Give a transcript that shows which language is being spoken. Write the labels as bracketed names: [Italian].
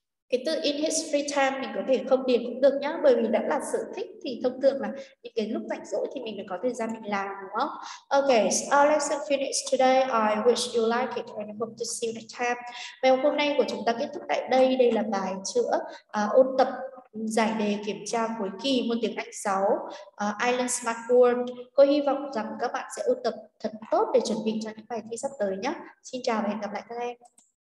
[Vietnamese] Cái từ in his free time mình có thể không điền cũng được nhá, bởi vì đã là sở thích thì thông thường là những cái lúc rảnh rỗi thì mình phải có thời gian mình làm, đúng không? [English] Okay, so our lesson finished today. I wish you like it and I hope to see you next time. [Vietnamese] Bài học hôm nay của chúng ta kết thúc tại đây. Đây là bài chữa ôn tập giải đề kiểm tra cuối kỳ môn tiếng Anh 6 Island Smart World. Cô hy vọng rằng các bạn sẽ ôn tập thật tốt để chuẩn bị cho những bài thi sắp tới nhé. Xin chào và hẹn gặp lại các em.